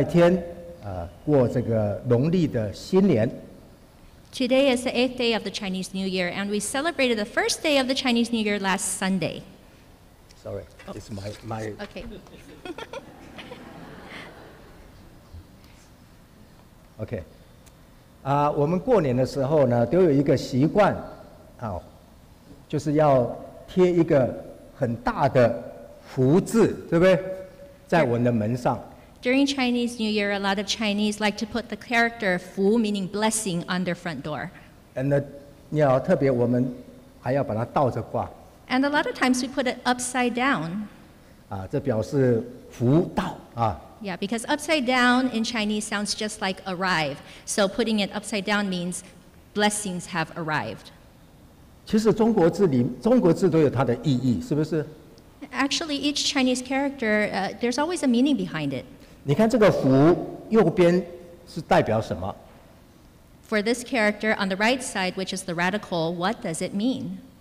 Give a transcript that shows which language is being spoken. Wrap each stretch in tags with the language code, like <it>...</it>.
<zh>今天是大年，应该是初八，是不是？我们上个礼拜天过这个农历的新年。</zh> <en>Today is the eighth day of the Chinese New Year, and we celebrated the first day of the Chinese New Year last Sunday. Sorry, it's my. Okay. Okay.</en> <zh>我们过年的时候呢，都有一个习惯，就是要贴一个很大的福字，对不对？在我们的门上。</zh> <en>During Chinese New Year, a lot of Chinese like to put the character 福 meaning blessing on their front door. And the,</en> <zh>你要特别我们还要把它倒着挂。</zh> <en>And a lot of times we put it upside down.</en> <zh>这表示福到啊。</zh> <en>Yeah, because upside down in Chinese sounds just like arrive. So putting it upside down means blessings have arrived.</en> <zh>其实中国字都有它的意义，是不是？</zh> <en>Actually, each Chinese character, there's always a meaning behind it.</en> <zh>你看这个福右边是代表什么？</zh> <en>For this character on the right side, which is the radical, what does it mean?</en>